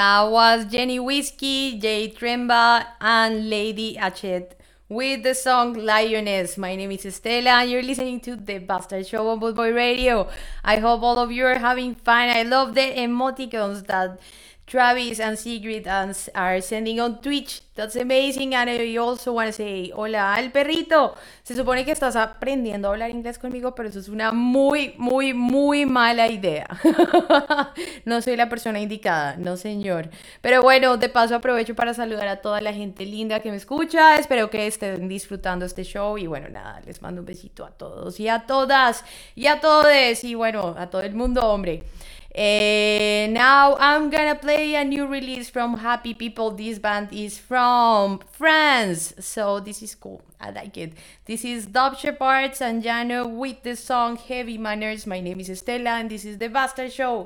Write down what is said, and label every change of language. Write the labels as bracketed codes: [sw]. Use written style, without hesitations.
[en] Was Jenny Whiskey, Jay Tremba, and Lady Hachette with the song Lioness. My name is Estela, and you're listening to The Bastard Show on Boot Boy Radio. I hope all of you are having fun. I love the emoticons that Travis and Sigrid are sending on Twitch. That's amazing. And I also want to say [es] hola al perrito. Se supone que estás aprendiendo a hablar inglés conmigo, pero eso es una muy, muy, muy mala idea. No soy la persona indicada, no señor. Pero bueno, de paso aprovecho para saludar a toda la gente linda que me escucha. Espero que estén disfrutando este show. Y bueno, nada, les mando un besito a todos y a todas y a todes. Y bueno, a todo el mundo, hombre. [en] Now I'm gonna play a new release from Happy People. This band is from France, so this is cool. I like it. This is Dub Shepard and Jano with the song Heavy Manners. My name is Estela and this is The Bastard Show.